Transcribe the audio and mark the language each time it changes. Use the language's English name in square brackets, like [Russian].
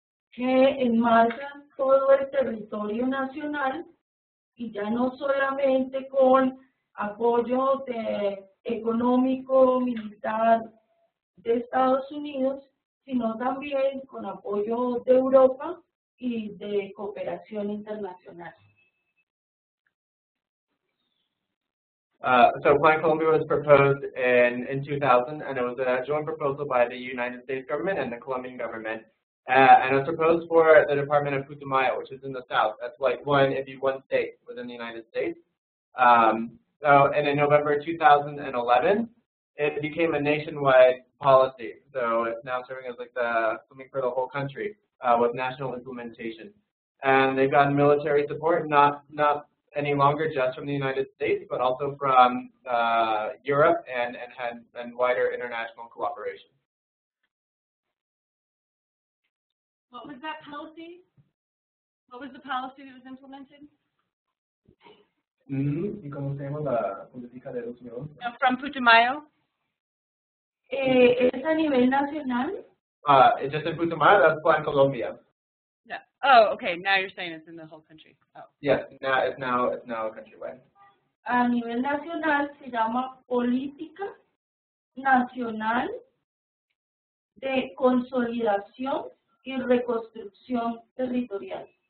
[Spanish] que enmarca todo el territorio nacional y ya no solamente con apoyo económico, militar de Estados Unidos, sino también con apoyo de Europa y de cooperación internacional. [English] So Plan Colombia was proposed in 2000, and it was a joint proposal by the United States government and the Colombian government. And it's proposed for the Department of Putumayo, which is in the south. That's like one state within the United States. And in November 2011, it became a nationwide policy. So it's now serving as like the something for the whole country with national implementation. And they've gotten military support, not any longer just from the United States, but also from Europe and wider international cooperation. What was that policy? What was the policy that was implemented? [Spanish] ¿Y cómo se llama la política de 2011? [English] From Putumayo. [Spanish] ¿Es a nivel nacional? [English] It's just in Putumayo, that's Plan Colombia. Yeah. Oh, okay. Now you're saying it's in the whole country. Oh. Yes, now it's now countrywide. [Spanish] A nivel nacional se llama Política Nacional de Consolidación y Reconstrucción Territorial.